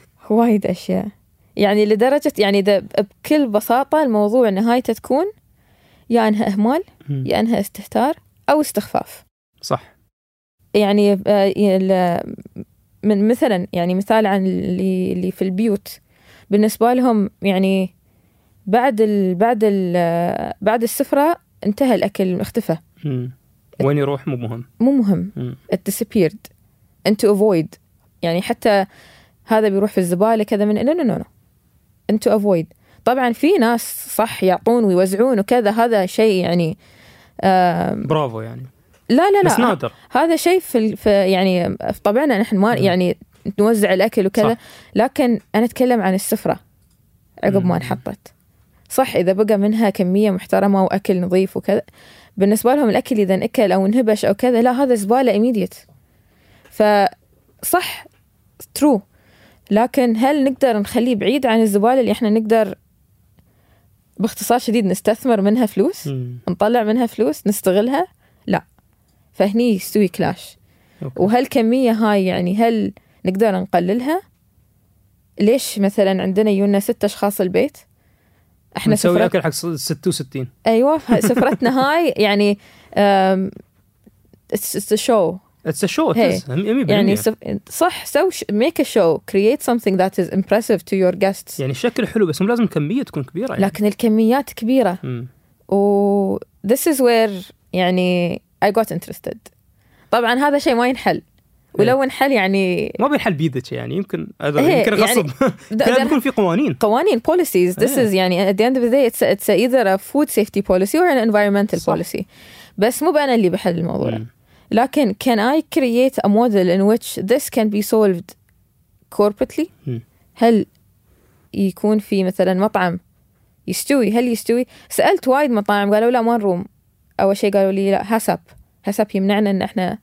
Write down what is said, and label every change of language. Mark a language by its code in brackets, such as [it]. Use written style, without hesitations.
[ar] وايد أشياء يعني لدرجة يعني بكل بساطة الموضوع نهاية تكون يا أنها إهمال يا أنها استهتار أو استخفاف. صح. يعني من مثلا يعني مثال عن اللي في البيوت بالنسبة لهم يعني بعد السفرة انتهى الأكل اختفى. وين يروح مو مهم. مو مهم. [en] It disappeared into avoid. [ar] يعني حتى هذا بيروح في الزبالة كذا من إنه نو انتو افويد. طبعا في ناس صح يعطون ويوزعون وكذا، هذا شيء يعني برافو يعني. لا لا لا هذا شيء في يعني في طبعنا نحن ما يعني نوزع الاكل وكذا صح. لكن انا اتكلم عن السفره عقب ما انحطت. صح اذا بقى منها كميه محترمه واكل نظيف وكذا، بالنسبه لهم الاكل اذا اكل او انهبش او كذا لا هذا زباله ايميديت. فصح ترو، لكن هل نقدر نخليه بعيد عن الزبالة اللي احنا نقدر باختصار شديد نستثمر منها فلوس نطلع منها فلوس نستغلها؟ لا. فهني يستوي كلاش. أوكي. وهالكمية هاي يعني هل نقدر نقللها؟ ليش مثلا عندنا يونا 6 اشخاص البيت احنا نسوي اكل حق 66؟ ايوه سفرتنا هاي يعني [en] it's a show. It's a show. [ar] يعني صح سو [en] make a show, create something that is impressive to your guests. [ar] يعني شكل حلو بس لازم كمية تكون كبيرة يعني. لكن الكميات كبيرة. [en] و this is where يعني I got interested. [ar] طبعا هذا شيء ما ينحل ولو انحل يعني ما بينحل بيدك يعني يمكن يمكن غصب يعني يكون في قوانين [en] policies. This is يعني at the end of the day it's either a food safety policy or an environmental policy. [ar] بس مو بأنا اللي بحل الموضوع. لكن [en] can I create a model in which this can be solved corporately؟ [ar] هل يكون في مثلا مطعم يستوي؟ هل يستوي؟ سألت وايد مطاعم قالوا لا ما نروم. أول شيء قالوا لي لا هسب يمنعنا إن إحنا